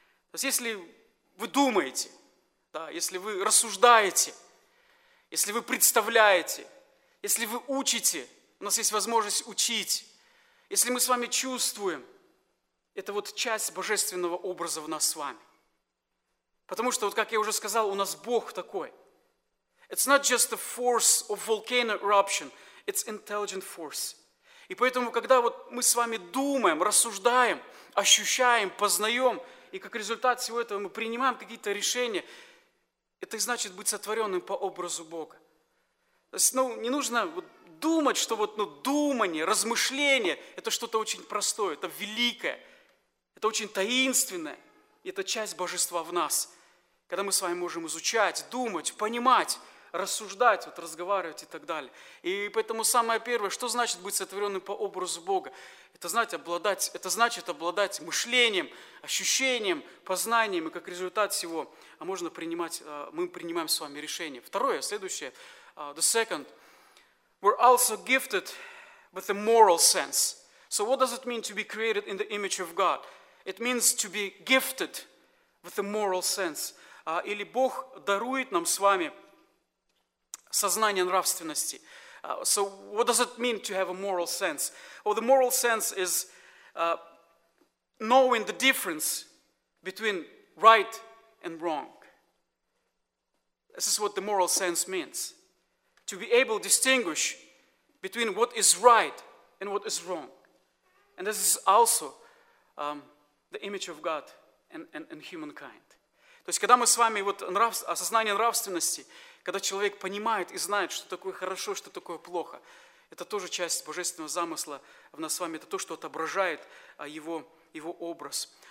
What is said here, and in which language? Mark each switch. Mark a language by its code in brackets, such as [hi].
[ru] То есть если вы думаете, да, если вы рассуждаете, если вы представляете, если вы учите, у нас есть возможность учить, если мы с вами чувствуем, это вот часть божественного образа в нас с вами. Потому что, вот как я уже сказал, у нас Бог такой. [en] It's not just a force of volcano eruption, it's intelligent force. [ru] И поэтому, когда вот мы с вами думаем, рассуждаем, ощущаем, познаем, и как результат всего этого мы принимаем какие-то решения, это значит быть сотворенным по образу Бога. То есть, ну, не нужно вот думать, что вот, ну, думание, размышление, это что-то очень простое, это великое, это очень таинственное. Это часть Божества в нас. Когда мы с вами можем изучать, думать, понимать, рассуждать, вот, разговаривать и так далее. И поэтому самое первое, что значит быть сотворенным по образу Бога? Это значит обладать мышлением, ощущением, познанием, и как результат всего можно принимать, мы принимаем с вами решение. Второе, следующее, [en] the second. We're also gifted with a moral sense. So what does it mean to be created in the image of God? It means to be gifted with a moral sense. [ru] Или Бог дарует нам с вами сознание нравственности. [en] So what does it mean to have a moral sense? Well, the moral sense is knowing the difference between right and wrong. This is what the moral sense means. To be able to distinguish between what is right and what is wrong. And this is also the image of God and humankind. [ru] То есть, когда мы с вами, вот, осознание нравственности, когда человек понимает и знает, что такое хорошо, что такое плохо, это тоже часть божественного замысла в нас с вами, это то, что отображает его образ.